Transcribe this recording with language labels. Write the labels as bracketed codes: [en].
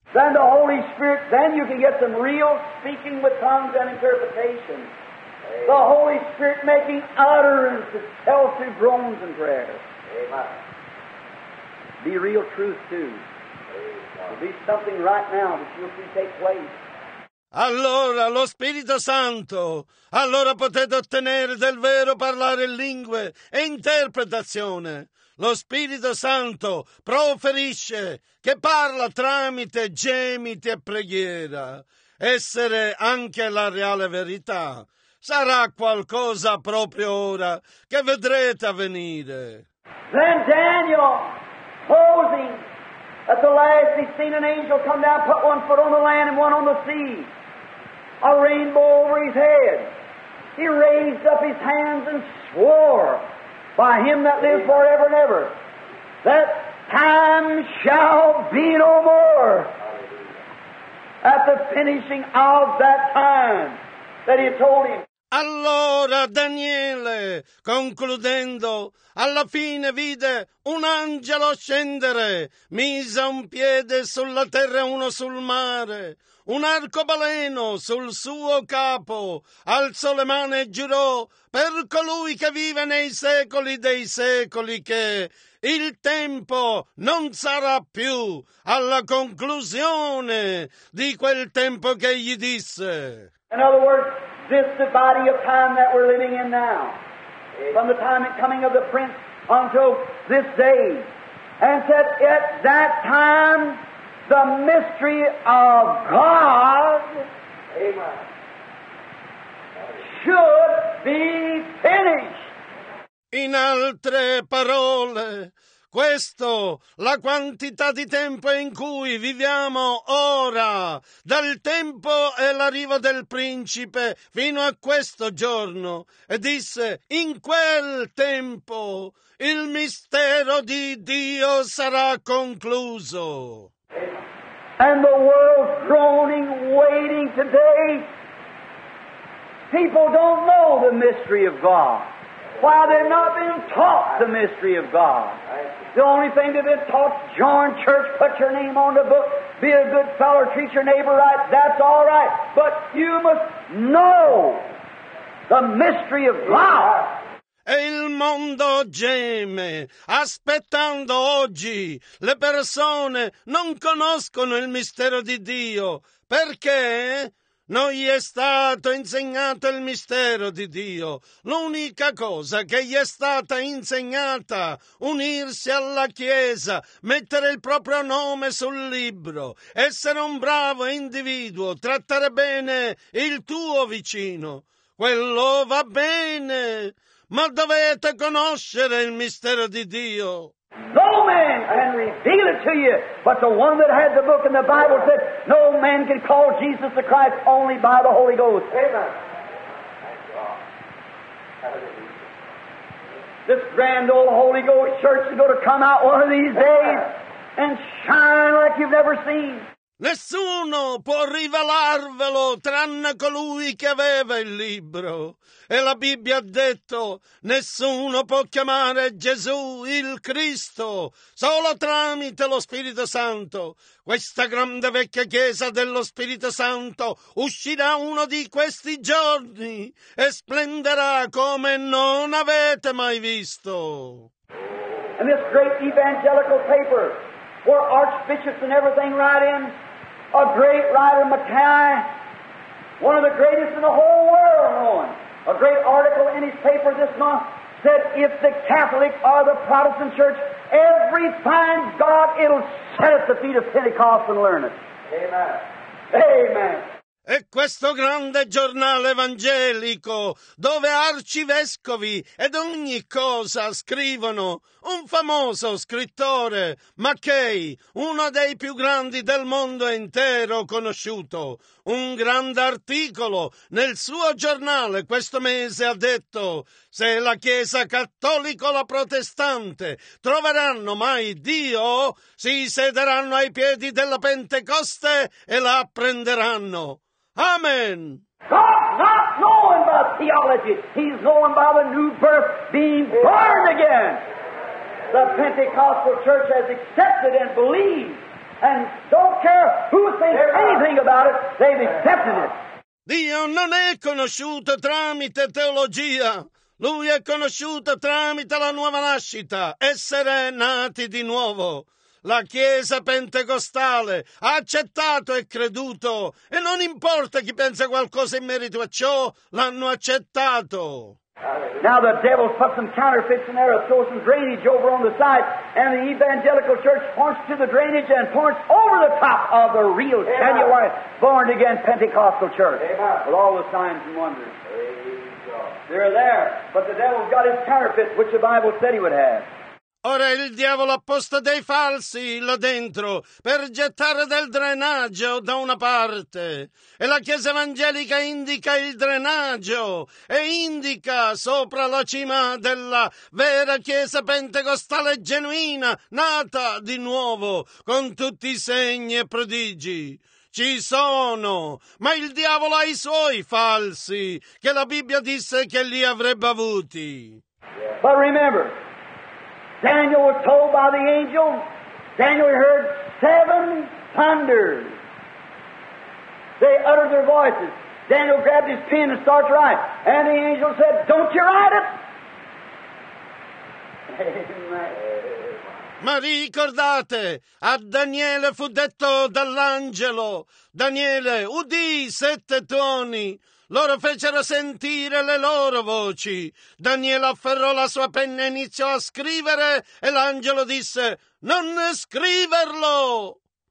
[en] Then the Holy Spirit, then you can get some real speaking with tongues and interpretation. The Holy Spirit making utterance of healthy groans and prayers. Amen. Be real truth too. Be something right now that you'll see take place. [it] Allora lo Spirito Santo, allora potete ottenere del vero parlare in lingue e interpretazione. Lo Spirito Santo proferisce, che parla tramite gemiti e preghiera. Essere anche la reale verità. Sarà qualcosa proprio ora che vedrete avvenire. [en] Then Daniel, closing, at the last he seen an angel come down, put one foot on the land and one on the sea, a rainbow over his head. He raised up his hands and swore by him that lives forever and ever, that time shall be no more at the finishing of that time that he had told him. [it] Allora Daniele, concludendo, alla fine vide un angelo scendere, mise un piede sulla terra e uno sul mare, un arcobaleno sul suo capo, alzò le mani e giurò per colui che vive nei secoli dei secoli che il tempo non sarà più alla conclusione di quel tempo che gli disse. [en] In other words, this the body of time that we're living in now, from the time and coming of the prince until this day. And said, at that time, the mystery of God should be finished. [it] In altre parole, questo, la quantità di tempo in cui viviamo ora, dal tempo e l'arrivo del principe fino a questo giorno, e disse, in quel tempo il mistero di Dio sarà concluso. [en] And the world groaning, waiting today, people don't know the mystery of God. Why they've not been taught the mystery of God. The only thing they've been taught, join church, put your name on the book, be a good fellow, treat your neighbor right, that's all right. But you must know the mystery of God. [it] E il mondo geme, aspettando oggi. Le persone non conoscono il mistero di Dio. Perché? Non gli è stato insegnato il mistero di Dio. L'unica cosa che gli è stata insegnata, unirsi alla Chiesa, mettere il proprio nome sul libro, essere un bravo individuo, trattare bene il tuo vicino. Quello va bene, ma dovete conoscere il mistero di Dio. [en] No man can reveal it to you, but the one that had the book in the Bible said, no man can call Jesus the Christ only by the Holy Ghost. Amen. This grand old Holy Ghost church is going to come out one of these days and shine like you've never seen. [it] Nessuno può rivelarvelo tranne colui che aveva il libro. E la Bibbia ha detto, nessuno può chiamare Gesù il Cristo, solo tramite lo Spirito Santo. Questa grande vecchia chiesa dello Spirito Santo uscirà uno di questi giorni e splenderà come non avete mai visto. [en] And this great evangelical paper, where archbishops and everything write in, a great writer, Mackay, one of the greatest in the whole world, a great article in his paper this month said, if the Catholic or the Protestant church ever finds God, it'll sit at the feet of Pentecost and learn it. Amen. Amen. [it] E questo grande giornale evangelico, dove arcivescovi ed ogni cosa scrivono, un famoso scrittore, Mackay, uno dei più grandi del mondo intero conosciuto, un grande articolo nel suo giornale questo mese ha detto, se la Chiesa cattolica o la protestante troveranno mai Dio, si siederanno ai piedi della Pentecoste e la apprenderanno. Amen. [en] God not known by theology. He's known by the new birth being born again. The Pentecostal church has accepted and believed. And don't care who thinks anything about it, they've accepted it. [it] Dio non è conosciuto tramite teologia. Lui è conosciuto tramite la nuova nascita, essere nati di nuovo. La Chiesa Pentecostale ha accettato e creduto, e non importa chi pensa qualcosa in merito a ciò, l'hanno accettato. [en] Now the devil put some counterfeits in there, throw some drainage over on the side, and the evangelical church points to the drainage and points over the top of the real genuine born again Pentecostal church. Amen. With all the signs and wonders. They're there, but the devil's got his counterfeits, which the Bible said he would have. [it] Ora il diavolo ha posto dei falsi là dentro per gettare del drenaggio da una parte. E la Chiesa evangelica indica il drenaggio e indica sopra la cima della vera Chiesa Pentecostale genuina, nata di nuovo con tutti i segni e prodigi. Ci sono, ma il diavolo ha i suoi falsi, che la Bibbia disse che li avrebbe avuti. [en] But remember, Daniel was told by the angel, Daniel heard seven thunders. They uttered their voices. Daniel grabbed his pen and started to write. And the angel said, don't you write it? [it] Ma ricordate, a Daniele fu detto dall'angelo, Daniele, udì sette tuoni. Loro fecero sentire le loro voci. Daniele afferrò la sua penna e iniziò a scrivere e l'angelo disse, non scriverlo!